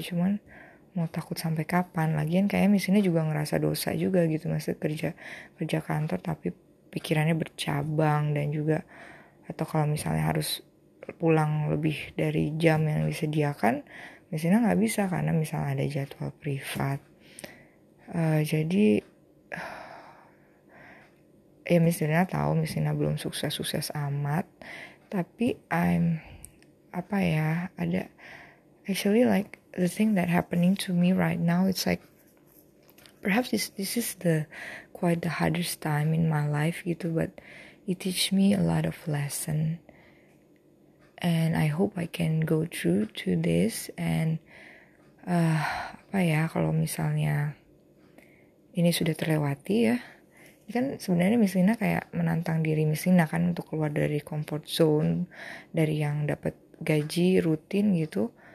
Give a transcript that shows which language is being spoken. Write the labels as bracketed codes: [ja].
[id] Cuman mau takut sampai kapan, lagian kayak Miss Lina juga ngerasa dosa juga gitu, maksudnya kerja kantor tapi pikirannya bercabang, dan juga atau kalau misalnya harus pulang lebih dari jam yang disediakan, Miss Lina nggak bisa karena misalnya ada jadwal privat. Ya Miss Lina tahu Miss Lina belum sukses-sukses amat, tapi [en] actually like the thing that happening to me right now, it's like perhaps this is the quite the hardest time in my life [id] gitu, [en] but it teach me a lot of lesson, and I hope I can go through to this. [id] And kalau misalnya ini sudah terlewati ya. Kan sebenarnya Miss Lina kayak menantang diri Miss Lina kan untuk keluar dari comfort zone, dari yang dapat gaji rutin gitu.